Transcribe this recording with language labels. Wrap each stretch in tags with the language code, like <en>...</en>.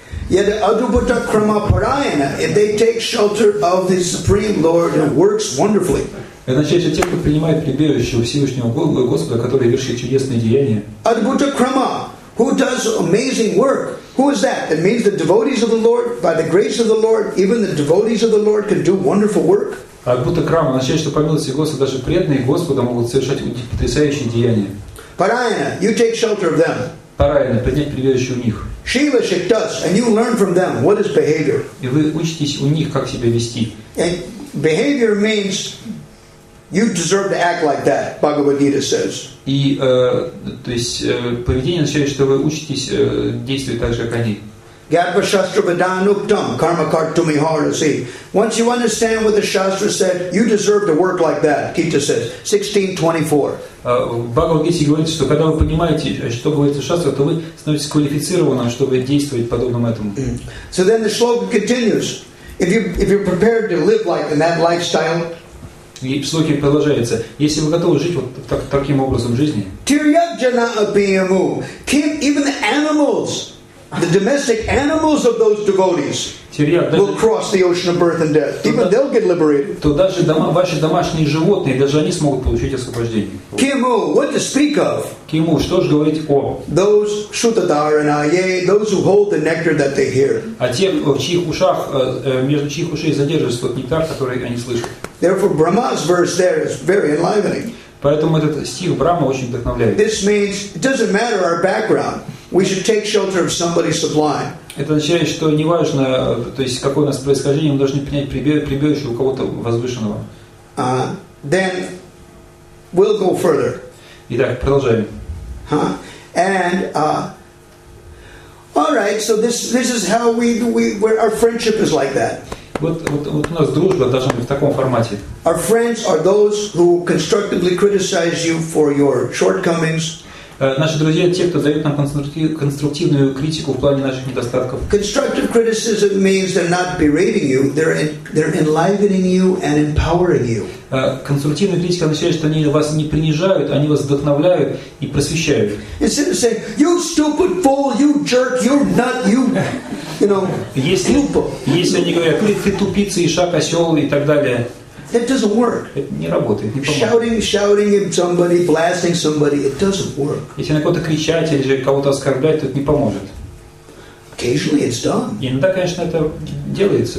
<en>Yet Adubhuta Krama Parayana, if they take shelter of the Supreme Lord and works wonderfully.</en> <ru>Это означает, что те, кто принимает прибежище у Всевышнего Господа, который вершит чудесные деяния.</ru> <en>Adubhuta Krama, who does amazing work? Who is that? It means the devotees of the Lord, by the grace of the Lord, even the devotees of the Lord can do wonderful work.</en> <ru>Adubhuta Krama, означает, что по милости Господа даже преданные Господа могут совершать потрясающие деяния.</ru> <en>Parayana, you take shelter of them.</en> <ru>Парайна, принять прибежище у них.</ru> <en>Shiva Shiktas, and you learn from them what is behavior.</en> <ru>И вы учитесь у них, как себя вести.</ru> <en>And behavior means you deserve to act like that, Bhagavad Gita says.</en> <ru>И то есть поведение означает, что вы учитесь действовать так же, как они.</ru> <sa>Gyatva Shastra Vedanuktam Karma Kartumi Harasi.</sa> <en>Once you understand what the Shastra said, you deserve to work like that, Gita says. 16:24.</en> <ru>В Бхагавад Гите говорится, что когда вы понимаете, что говорит шастра, то вы становитесь квалифицированным, чтобы действовать подобным этому.</ru> <en>So then the shloka continues. If you're prepared to live like in that lifestyle.</en> <ru>И шлоки продолжается. Если вы готовы жить вот таким образом жизни.</ru> <sa>Tiryajana abhimu.</sa> <en>Even the animals, the domestic animals of those devotees. Will cross the ocean of birth and death. Even they'll get liberated.</en> <ru>То даже ваши домашние животные, даже они смогут получить освобождение.</ru> <en>Кему, what to speak of?</en> <ru>Кему, что же говорить о?</ru> <en>Those shutadharanaye, those who hold the nectar that they hear.</en> <ru>А те, в чьих ушах, между чьих ушей задерживается тот нектар, который они слышат.</ru> <en>Therefore, Brahma's verse there is very enlivening.</en> <ru>Поэтому этот стих Брама очень вдохновляет.</ru> <en>This means it doesn't matter our background. We should take shelter of somebody sublime.</en> <ru>Это означает, что неважно, то есть какое у нас происхождение, мы должны принять прибежище у кого-то возвышенного.</ru> <en>Then we'll go further.</en> <ru>Итак, продолжаем.</ru> <en>All right, so this is how we our friendship is like that.</en> <ru>Вот у нас дружба должна быть в таком формате.</ru> <en>Our friends are those who constructively criticize you for your shortcomings.</en> <ru>наши друзья, те, кто дает нам конструктивную критику в плане наших недостатков.</ru> <en>Constructive criticism means they're not berating you, they're enlivening you and empowering you.</en> <ru>Конструктивная критика означает, что они вас не принижают, они вас вдохновляют и просвещают.</ru> <en>Instead of saying, you stupid fool, you jerk, you're not you, you know,</en> <ru>если они говорят, ты тупица, ишак, осел и так далее.</ru> <en>It doesn't work.</en> <ru>Это не работает.</ru> <en>Shouting at somebody, blasting somebody, it doesn't work.</en> <ru>Если на кого-то кричать или же кого-то оскорблять, то это не поможет.</ru> <en>Occasionally it's done.</en> <ru>Иногда, конечно, это делается.</ru>